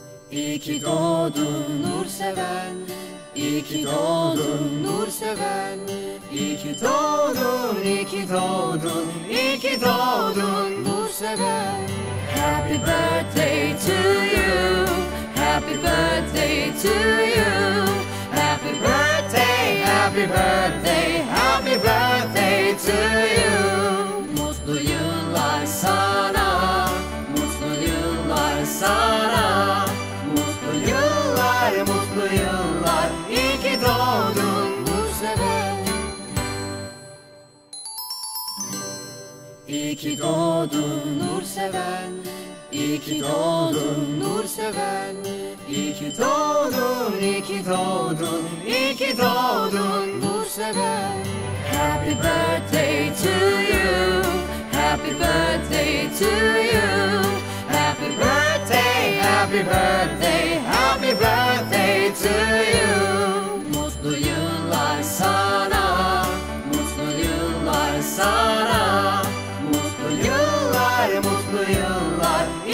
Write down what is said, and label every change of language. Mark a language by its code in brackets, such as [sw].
[tr] İyi ki doğdun nur seven, İyi ki doğdun nur seven, İyi ki doğdun, İyi ki doğdun, İyi ki doğdun nur seven. [en] Happy birthday to you, happy birthday to you, happy birthday, happy birthday, happy birthday to you. [tr] Mutlu yıllar sana, mutlu yıllar sana, mutlu yıllar, mutlu yıllar, iyi ki doğdun nur seven. İyi ki doğdun nur seven, İyi ki doğdun nur seven, İyi ki doğdun, İyi ki doğdun, İyi ki doğdun nur seven. [en] Happy birthday to you, happy birthday to you, happy birthday, happy birthday, happy birthday to you. [tr] Mutlu yıllar sana, mutlu yıllar sana, mutlu yıllar, mutlu yıllar.